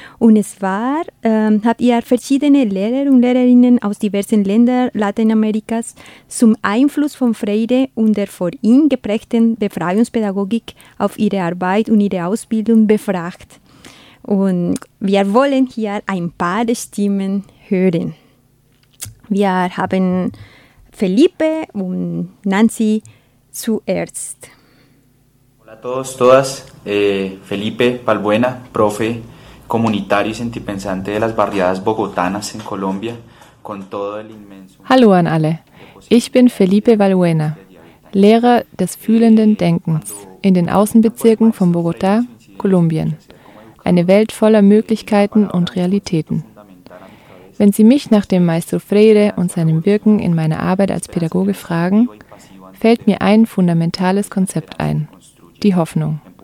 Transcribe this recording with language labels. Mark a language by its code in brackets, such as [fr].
[de] Und es war, habt ihr verschiedene Lehrer und Lehrerinnen aus diversen Ländern Lateinamerikas zum Einfluss von Freire und der vor ihm geprägten Befreiungspädagogik auf ihre Arbeit und ihre Ausbildung befragt. Und wir wollen hier ein paar Stimmen hören. Wir haben Felipe und Nancy zuerst. [es] Hola a todos, todas. Felipe Balbuena, Profe Comunitario y Sentipensante de las Barriadas Bogotanas en Colombia, con todo el inmenso. [de] Hallo an alle. Ich bin Felipe Balbuena. Lehrer des fühlenden Denkens in den Außenbezirken von Bogotá, Kolumbien. Eine Welt voller Möglichkeiten und Realitäten. Wenn Sie mich nach dem Maestro Freire und seinem Wirken in meiner Arbeit als Pädagoge fragen, fällt mir ein fundamentales Konzept ein. Die Hoffnung.